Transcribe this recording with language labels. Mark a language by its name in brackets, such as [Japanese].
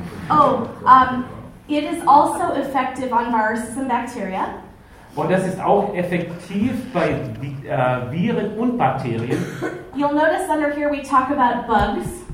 [English] Oh, it is also effective on viruses and bacteria. [German] Und das ist auch effektiv bei Viren und Bakterien. [English] You'll notice under here we talk about bugs.